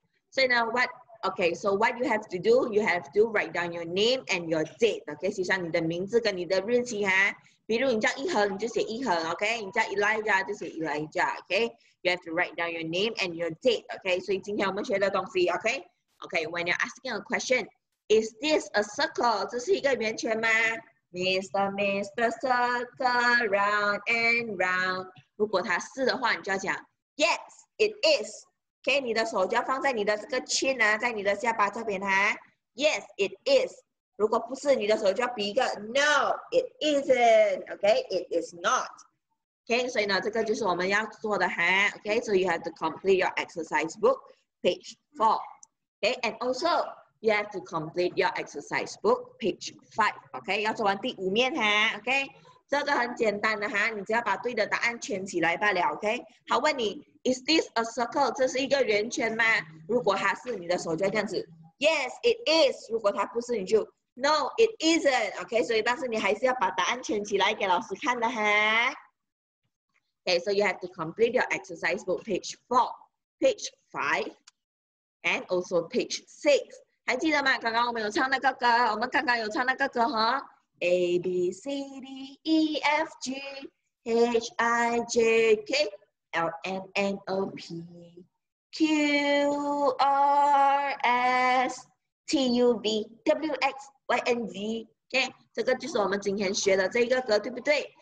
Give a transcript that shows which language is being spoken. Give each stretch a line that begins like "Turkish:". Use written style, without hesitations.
Chinese: 所以呢
English: ，what you have to do， you have to write down your name and your date， OK。
Chinese: 写上你的名字跟你的日期哈。比如你叫一恒，你就写一恒 ，OK。你叫 Elijah 就写 Elijah， OK。
English: You have to write down your name and your date， OK。
Chinese: 所以今天我们学的东西 ，OK。
English: Okay, when you're asking a question, is this a circle?
Chinese: 这是一个圆圈吗 ？
English: Mr. Circle round and round.
Chinese: 如果它是的话，你就要讲
English: Yes, it is.
Chinese: Okay, 你的手就要放在你的这个chin啊，在你的下巴这边啊。Yes, it is. 如果不是你的手就要比一个
English: No, it isn't. Okay, it is not.
Chinese: Okay, 所以呢，这个就是我们要做的哈。
English: Okay, so you have to complete your exercise book, page 4. Okay, and also, you have to complete your exercise book, page 5.
Chinese: Okay, 要做完第五面哈。 Okay, 这个很简单的哈，你只要把对的答案圈起来罢了。 Okay, 好，问你
English: Is this a circle?
Chinese: 这是一个圆圈吗？如果它是，你的手就这样子。
English: Yes, it is.
Chinese: 如果它不是，你就
English: No, it isn't.
Chinese: Okay, 所以但是你还是要把答案圈起来给老师看的哈。
English: Okay, so you have to complete your exercise book page 4, page 5, and also page 6.
Chinese: 还记得吗？刚刚我们有唱那个歌，我们刚刚有唱那个歌哈。
English: A B C D E F G H I J K L M N O P. Q R S T U V W X Y N Z， OK，
Chinese: 这个就是我们今天学的这个歌，对不对？